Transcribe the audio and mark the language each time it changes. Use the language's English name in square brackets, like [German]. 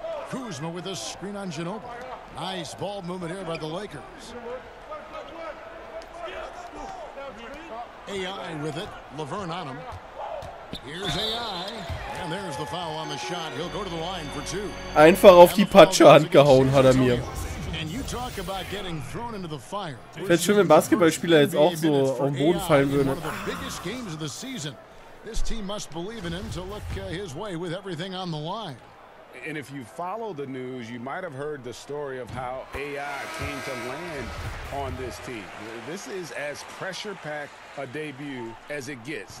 [English] Kuzma with a screen on Ginobili. Nice ball movement here by the Lakers. AI with it. Laverne on him. Here's AI. And there's the foul on the shot. He'll go to the line for two. [German] Einfach auf die Patsche Hand gehauen hat mir. [English] And you talk about getting thrown into the fire. [German] Wäre schön, wenn Basketballspieler jetzt auch so auf den Boden fallen würden. [English] One of the biggest games of the season. This team must believe in him to look his way with everything on the line. And if you follow the news, you might have heard the story of how AI came to land on this team. This is as pressure-packed a debut as it gets.